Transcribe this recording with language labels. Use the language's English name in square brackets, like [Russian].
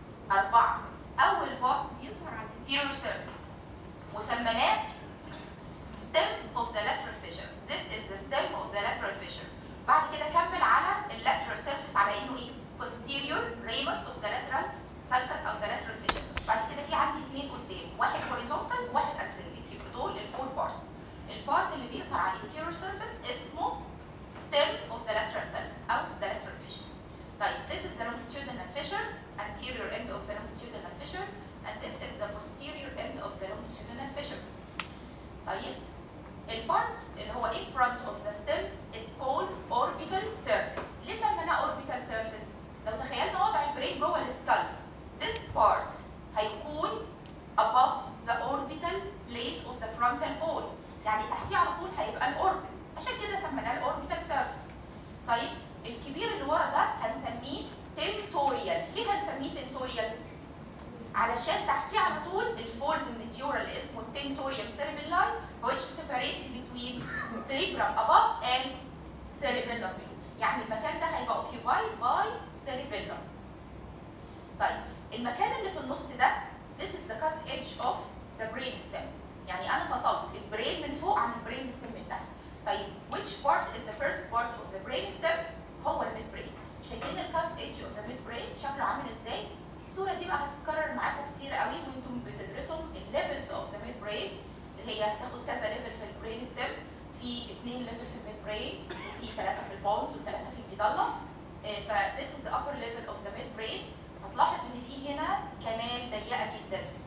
[Arabic] اربعه اول بوب يظهر على الانتيريور سيرفيس وسميناه [English] stem of the lateral fissure. This is the stem of the lateral fissure. [Arabic] بعد كده كمل على [English] the lateral surface [Arabic] على انه ايه؟ [English] posterior ramus of the lateral surface of the lateral fissure. [Arabic] بعد كده في عندي اثنين قدام، [English] واحد horizontal واحد ascending. [Arabic] يبقى دول ال four parts. [English] ال part [Arabic] اللي بيظهر على [English] inferior surface اسمه stem of the lateral surface أو the lateral fissure. طيب this is the longitudinal fissure, anterior end of the longitudinal fissure, and this is the posterior end of the longitudinal fissure. طيب ال part اللي هو in front of the stem is called orbital surface. ليه سميناه orbital surface؟ [Arabic] لو تخيلنا وضع البرين جوه السكال، [English] this part هيكون above the orbital plate of the frontal bone. [Arabic] يعني تحتيه على طول هيبقى الاوربت، عشان كده سميناه الاوربتال سيرفيس. طيب الكبير اللي ورا ده هنسميه تنتوريال. ليه هنسميه تنتوريال؟ علشان تحتيه على طول الفولد من الديورا اللي اسمه التنتوريال سيربيلاي، [English] which separates between cerebrum above and cerebellum. [Arabic] يعني المكان ده هيبقى [English] occupied by cerebellum. [Arabic] طيب المكان اللي في النص ده، [English] this is the cut edge of the brain stem. [Arabic] يعني انا فصلت البرين من فوق عن البرين ستيم من تحت. [English] طيب which part is the first part of the brain stem؟ [Arabic] هو الميد برين. شايفين [English] الكات edge of the mid brain [Arabic] شكله عامل ازاي؟ الصوره دي بقى هتتكرر معاكم كتير قوي وانتم بتدرسوا [English] الليفلز of the mid brain, [Arabic] اللي هي هتاخد كذا ليفل في البرين ستيم، في اثنين ليفل في الميد برين وفي ثلاثه في البونز وثلاثه في المدله. [English] ف this is the upper level of the mid brain. [Arabic] هتلاحظ ان في هنا كمان ضيقه جدا.